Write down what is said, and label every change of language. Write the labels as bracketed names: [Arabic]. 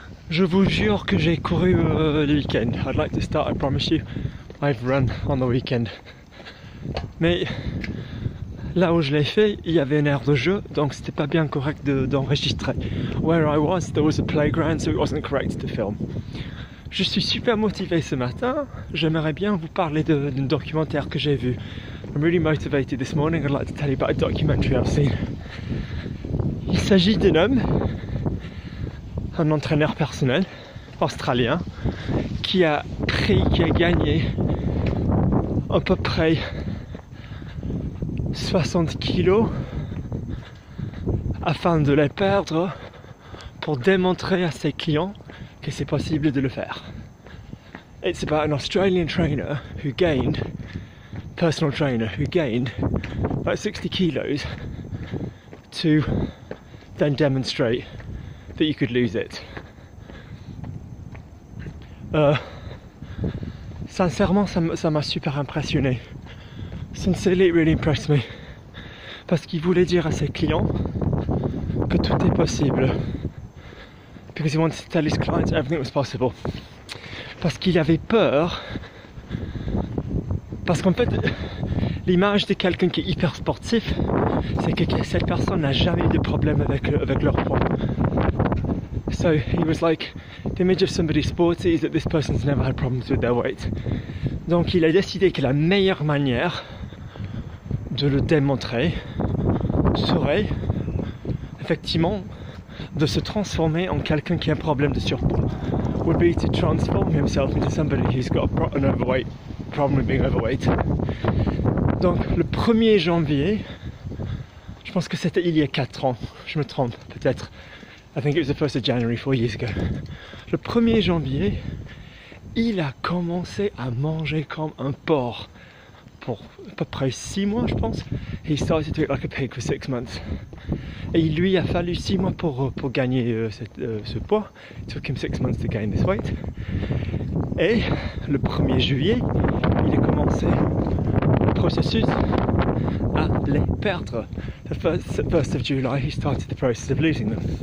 [French] Je vous jure que j'ai couru le week-end. [English] I'd like to start, I promise you, I've run on the weekend. [French] Mais là où je l'ai fait, il y avait une aire de jeu, donc c'était pas bien correct d'enregistrer. [English] Where I was, there was a playground, so it wasn't correct to film. [French] Je suis super motivé ce matin, j'aimerais bien vous parler d'un documentaire que j'ai vu. [English] I'm really motivated this morning, I'd like to tell you about a documentary I've seen. [French] Il s'agit d'un homme, un entraîneur personnel, australien, qui a gagné à peu près 60 kilos afin de les perdre pour démontrer à ses clients que c'est possible de le faire. [English] It's about an Australian trainer who gained, personal trainer who gained about 60 kilos to then demonstrate that you could lose it. [French] Sincèrement, ça m'a super impressionné. [English] Sincerely, it really impressed me. [French] Parce qu'il voulait dire à ses clients que tout est possible. [English] Because he wanted to tell his clients everything was possible. [French] Parce qu'il avait peur. Parce qu'en fait, l'image de quelqu'un qui est hyper sportif, c'est que cette personne n'a jamais eu de problème avec leur poids. [English] So he was like, the image of somebody sporty is that this person's never had problems with their weight. [French] Donc il a décidé que la meilleure manière de le démontrer serait effectivement de se transformer en quelqu'un qui a un problème de surpoids. [English] Would be to transform himself into somebody who's got an overweight problem with being overweight. [French] Donc le 1er janvier, je pense que c'était il y a 4 ans, je me trompe peut-être. [English] I think it was the 1st of January, 4 years ago. [French] Le 1er janvier, il a commencé à manger comme un porc. Pour à peu près 6 mois, je pense. [English] He started to eat like a pig for 6 months. [French] Et il lui a fallu 6 mois pour gagner ce poids. [English] It took him 6 months to gain this weight. [French] Et le 1er juillet, il a commencé le processus à les perdre. [English] The 1st of July, he started the process of losing them.